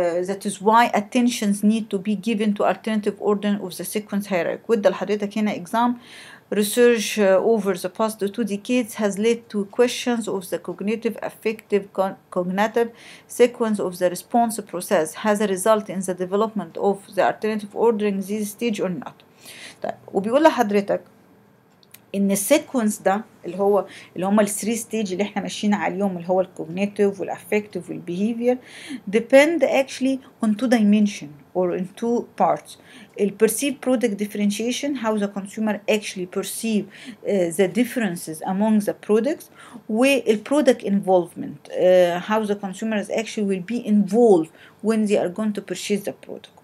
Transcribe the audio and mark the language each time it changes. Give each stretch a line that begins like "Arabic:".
English: That is why attentions need to be given to alternative order of the sequence hierarchy.
Arabic: وده لحضرتك هنا exam.
English: Research over the past two decades has led to questions of the cognitive affective cognitive sequence of the response process has a result in the development of the alternative ordering this stage or not.
Arabic: طيب وبيقول لحضرتك ان السيكونس ده اللي هو اللي هما الثري ستيج اللي احنا ماشيين عليهم اللي هو الكوجنيتيف والافكتيف والبيهيفير
English: Depend actually on two dimension or in two parts. The perceived product differentiation, how the consumer actually perceive the differences among the products, with the product involvement, how the consumers actually will be involved when they are going to purchase the product.